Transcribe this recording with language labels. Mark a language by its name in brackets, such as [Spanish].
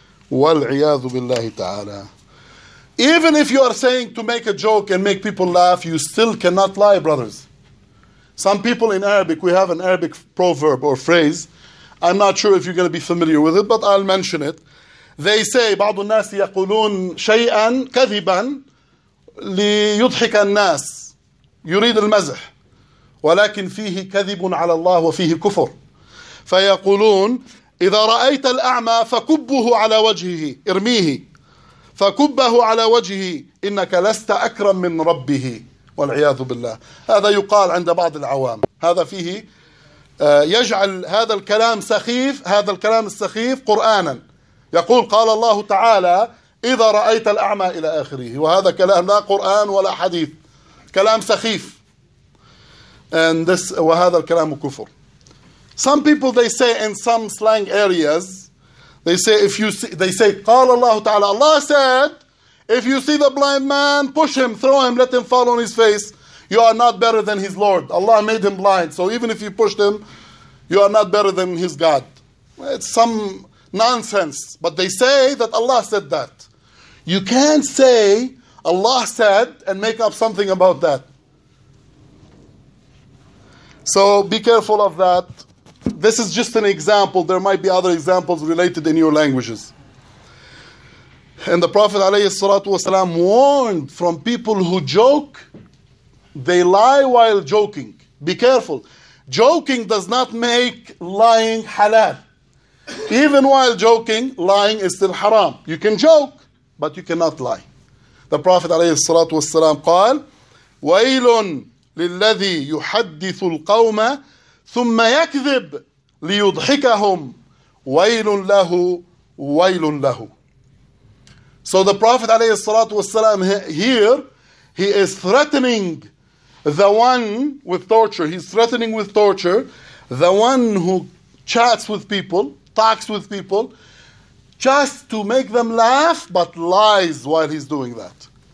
[Arabic] وَالْعِيَاذُ بِاللَّهِ تَعَالَى. [English] Even if you are saying to make a joke and make people laugh, you still cannot lie, brothers. Some people in Arabic, we have an Arabic proverb or phrase. I'm not sure if you're going to be familiar with it, but I'll mention it. [Arabic] They say, بعض الناس يقولون شيئا كذبا ليضحك الناس. يريد المزح. ولكن فيه كذب على الله وفيه كفر. فيقولون إذا رأيت الأعمى فكبه على وجهه. ارميه. فكبه على وجهه إنك لست أكرم من ربه. والعياذ بالله. هذا يقال عند بعض العوام. هذا فيه يجعل هذا الكلام سخيف. هذا الكلام السخيف قرآنا. يقول قال الله تعالى إذا رأيت الأعمى إلى آخره. وهذا كلام لا قرآن ولا حديث. كلام سخيف. [English] And this, [Arabic] وهذا الكلام كفر. [English] Some people they say in some slang areas, they say if you see, they say قال الله تعالى, Allah said, if you see the blind man, push him, throw him, let him fall on his face. You are not better than his Lord. Allah made him blind. So even if you pushed him, you are not better than his God. It's some nonsense. But they say that Allah said that. You can't say Allah said and make up something about that. So be careful of that. This is just an example. There might be other examples related in your languages. And the Prophet ﷺ warned from people who joke, they lie while joking. Be careful. Joking does not make lying halal. Even while joking, lying is still haram. You can joke, but you cannot lie. The Prophet ﷺ said, [Arabic] وَيْلٌ لِلَّذِي يُحَدِّثُ الْقَوْمَ ثُمَّ يَكْذِبْ لِيُضْحِكَهُمْ وَيْلٌ لَهُ وَيْلٌ لَهُ. [English] So the Prophet ﷺ here, he is threatening the one with torture. He's threatening with torture the one who chats with people, talks with people, just to make them laugh, but lies while he's doing that.